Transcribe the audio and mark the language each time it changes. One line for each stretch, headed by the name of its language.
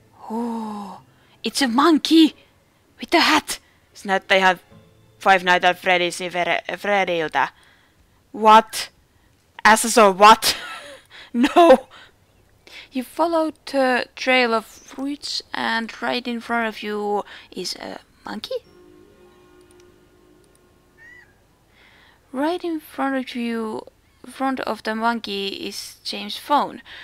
English: Oh, it's a monkey with a hat.
Finnish: Se näyttää ihan Five Nights at Freddy's Freddyltä.
English: What? As a so what? No. You followed the trail of fruits, and right in front of you is a monkey? Right in front of you, front of the monkey, is James' phone.